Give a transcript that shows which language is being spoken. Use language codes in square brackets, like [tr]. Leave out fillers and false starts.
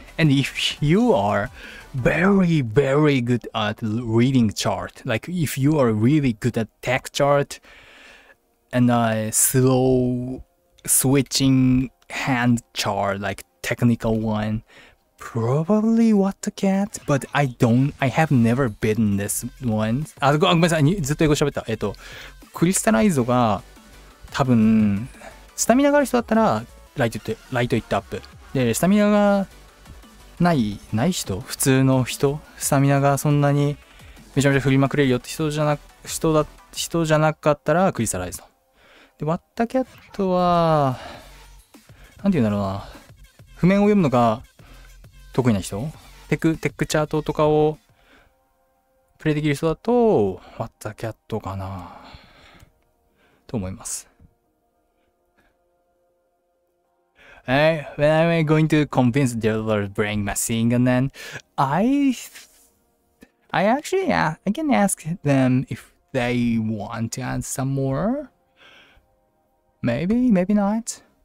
[en] And if you are very, very good at reading chart, like if you are really good at tech chart and slow switching hand chart, like technical one, probably what to get. But I have never beaten this one. [ja] ごめんなさい、ずっと英語喋った。クリスタライズが多分スタミナがある人だったらライトイットアップ。で、スタミナがない人、普通の人、スタミナがそんなにめちゃめちゃ振りまくれるよって人じゃなかったらクリスタライズ。で、ワッタキャットは、なんて言うんだろうな。譜面を読むのが得意な人、テックチャートとかをプレイできる人だと、ワッタキャットかなと思います。 [en] When am I going to convince the other brain machine? And then I can ask them if they want to add some more. Maybe, maybe not.